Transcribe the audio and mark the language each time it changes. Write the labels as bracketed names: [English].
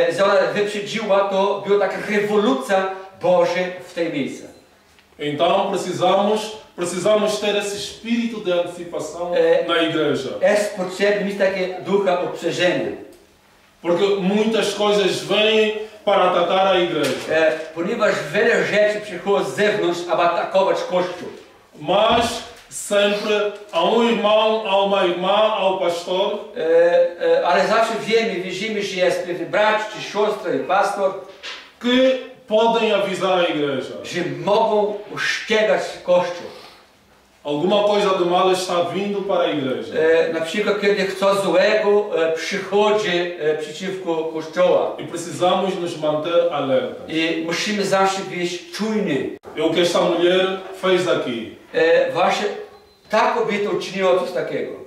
[Portuguese] Se ela [Polish] obchodziła, to była taka revolucja Boże w tej miejsce. [Portuguese] Então precisamos ter esse espírito de antecipação na igreja. [Polish] Jest potrzebny mi taki ducha obchodzenia. [Portuguese] Porque muitas coisas vêm para atacar a igreja. [Polish] Ponieważ wiele rzeczy przychodzi z zewnątrz, aby atakować Kościół. [Portuguese] Mas sempre há irmão, há uma irmã, há pastor. [Polish] Ale zawsze wiemy, widzimy, że jest brat, czy siostra, czy pastor. [Portuguese] Que podem avisar a igreja. [Polish] Że mogą ostrzegać Kościół. [Portuguese] Alguma coisa de mal está vindo para a igreja. [Polish] Na przykład, kiedy ktoś złego przychodzi przeciwko Kościoła. [Portuguese] E precisamos nos manter alerta. [Polish] E musimy zawsze być czujni. [Portuguese] E o que esta mulher fez aqui? [Polish] Właśnie ta kobieta uczyniła coś takiego.